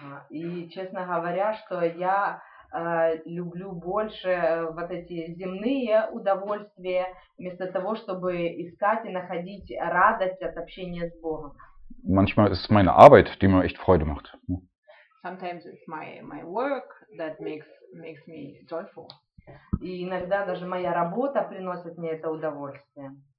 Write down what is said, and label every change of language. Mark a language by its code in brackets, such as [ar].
[ru] И, честно говоря, что я люблю больше вот эти земные удовольствия, вместо того, чтобы искать и находить радость от общения с Богом. [de] Manchmal ist es meine Arbeit, die mir echt Freude macht. [en] Sometimes it's my work that makes me joyful. [ru] И иногда даже моя работа приносит мне это удовольствие.